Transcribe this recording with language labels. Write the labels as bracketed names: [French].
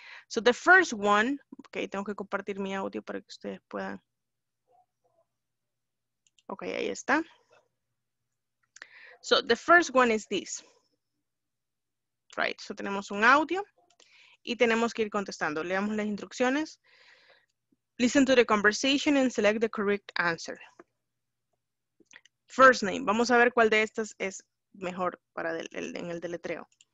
[English] So the first one, [Spanish] okay, tengo que compartir mi audio para que ustedes puedan. [English] Okay, [Spanish] ahí está. [English] So the first one is this. [Spanish] Right, so tenemos un audio y tenemos que ir contestando. Leamos las instrucciones. [English] Listen to the conversation and select the correct answer. [Spanish] First name, vamos a ver cuál de estas es mejor para en el deletreo.